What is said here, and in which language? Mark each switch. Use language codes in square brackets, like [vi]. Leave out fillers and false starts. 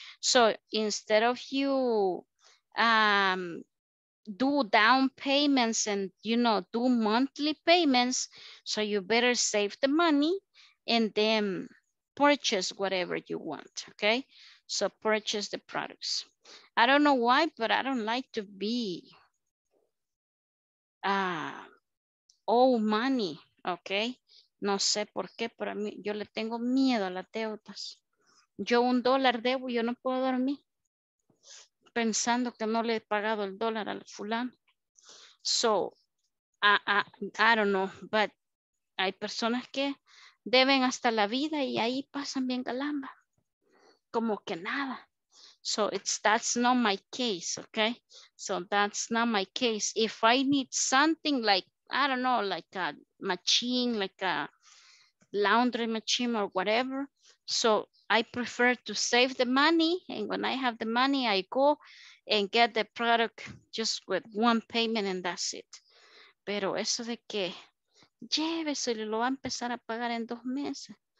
[en] So, instead of you do down payments and, you know, do monthly payments, so you better save the money and then purchase whatever you want, ok? So, purchase the products. I don't know why, but I don't like to be owe money, ok? [es] No sé por qué, pero a mí, yo le tengo miedo a las deudas. Yo un dólar debo, yo no puedo dormir pensando que no le he pagado el dólar al fulano. [en] So, I don't know, but [es] hay personas que deben hasta la vida y ahí pasan bien galamba. Como que nada. [en] So, that's not my case, okay? So, that's not my case. If I need something like, I don't know, like a machine, like a laundry machine or whatever. So I prefer to save the money. And when I have the money, I go and get the product just with one payment and that's it. [es] Pero eso de que lléveselo y lo va a empezar a pagar en dos meses.